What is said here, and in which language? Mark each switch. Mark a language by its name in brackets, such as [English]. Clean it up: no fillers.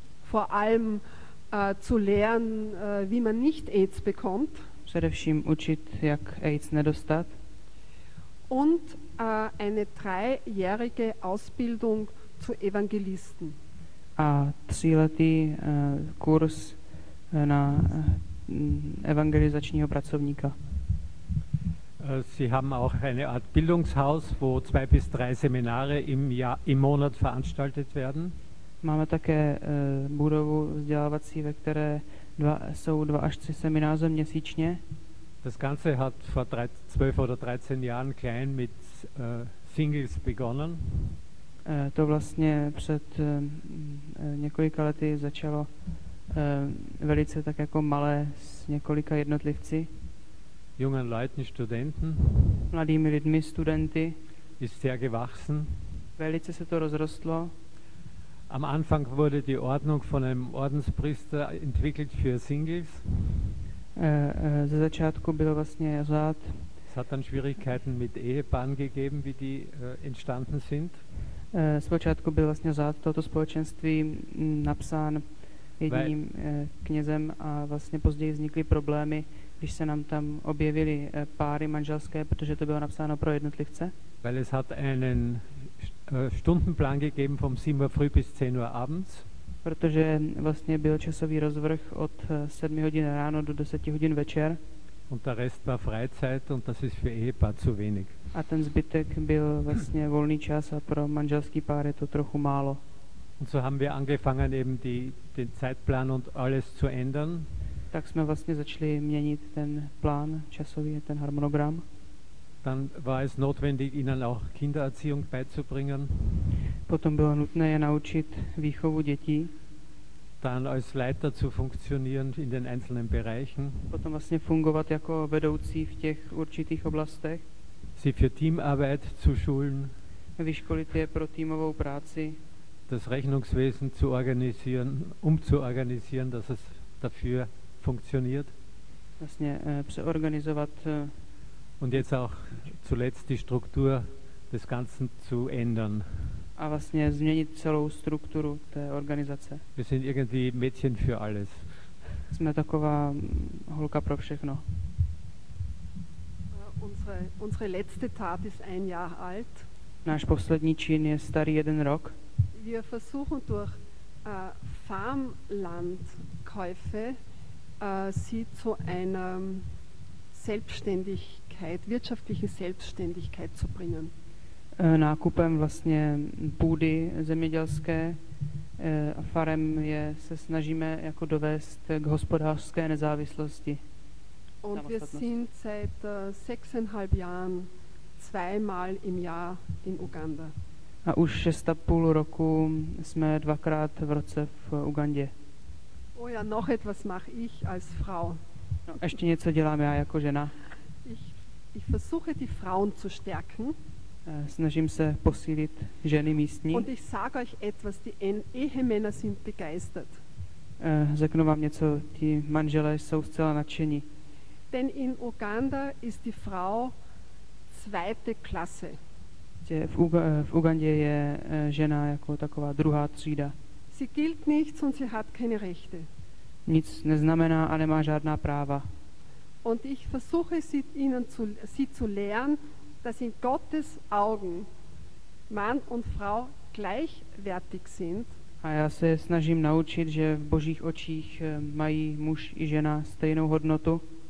[German] Vor allem zu lernen, wie man nicht AIDS bekommt. [Czech] Především učit, jak AIDS nedostat. [German] Und eine dreijährige Ausbildung zu Evangelisten. [Czech] A tříletý kurz na evangelizačního pracovníka. [German] Sie haben auch eine Art Bildungshaus, wo 2-3 Seminare im Monat veranstaltet werden. [Czech] Máme také budovu vzdělávací, ve které jsou 2-3 semináře měsíčně. [German] Das Ganze hat vor 12 oder 13 Jahren klein mit Singles begonnen. [Czech] To vlastně před několika lety začalo velice tak jako malé s několika jednotlivci. [German] Jungen Leuten, Studenten. [Czech] Mladými lidmi, studenty. [German] Ist sehr gewachsen. [Czech] Velice se to rozrostlo. [German] Am Anfang wurde die Ordnung von einem Ordenspriester entwickelt für Singles. [Czech] Ze začátku byl vlastně řád. [German] Es hat dann Schwierigkeiten mit Ehepaaren gegeben, wie die entstanden sind. [Czech] Zpočátku byl vlastně řád tohoto společenství napsán jedním knězem a vlastně později vznikly problémy, když se nám tam objevily páry manželské, protože to bylo napsáno pro jednotlivce. [German] Weil es hat einen Stundenplan gegeben vom 7 Uhr früh bis 10 Uhr abends. [Czech] Protože vlastně byl časový rozvrh od 7 hodin ráno do 10 hodin večer. [German] Und der Rest war Freizeit und das ist für Ehepaar zu wenig. [Czech] A ten zbytek byl vlastně volný čas a pro manželský pár je to trochu málo. [German] Und so haben wir angefangen eben den Zeitplan und alles zu ändern. [Czech] Tak jsme vlastně začali měnit ten plán časový, ten harmonogram. [German] Dann war es notwendig, ihnen auch Kindererziehung beizubringen. [Czech] Potom bylo nutné je naučit výchovu dětí. [German] Dann als Leiter zu funktionieren in den einzelnen Bereichen. [Czech] Potom vlastně fungovat jako vedoucí v těch určitých oblastech. [German] Sie für Teamarbeit zu schulen. [Czech] Vyškolit je pro týmovou práci. [German] Das Rechnungswesen zu organisieren, umzuorganisieren, dass es dafür funktioniert. [Czech] Vlastně přeorganizovat. [German] Und jetzt auch zuletzt die Struktur des Ganzen zu ändern. [Czech] A vlastně změnit celou strukturu té organizace. [German] Wir sind irgendwie Mädchen für alles. [Czech] Jsme taková holka pro všechno. [German] Unsere letzte Tat ist ein Jahr alt. [Czech] Náš poslední čin je starý jeden rok. [German] Wir versuchen durch Farmlandkäufe sie zu einer Selbstständigkeit, wirtschaftliche Selbstständigkeit zu bringen. [Czech] Nákupem vlastně půdy zemědělské a farem je se snažíme jako dovést k hospodářské nezávislosti. [German] Und wir sind seit 6,5 Jahren zweimal im Jahr in Uganda. [Czech] A už 6,5 roku jsme dvakrát v roce v Ugandě. [German] Oh ja, noch etwas mache ich als Frau. [Czech] No, ještě něco dělám já jako žena. [German] Ich versuche die Frauen zu stärken. [Czech] Snažím se posílit ženy místní. [German] Und ich sage euch etwas, die Ehemänner sind begeistert. [Czech] Řeknu vám něco, ti manželé jsou zcela nadšení. [German] Denn in Uganda ist die Frau zweite Klasse. [Czech] V Ugandě je žena jako taková druhá třída. [German] Sie gilt nichts und sie hat keine Rechte. [Czech] Nic neznamená a nemá žádná práva. [German] Und ich versuche sie zu lernen, dass in Gottes Augen Mann und Frau gleichwertig sind. [Czech] A já se snažím naučit, že v božích očích mají muž i žena stejnou hodnotu.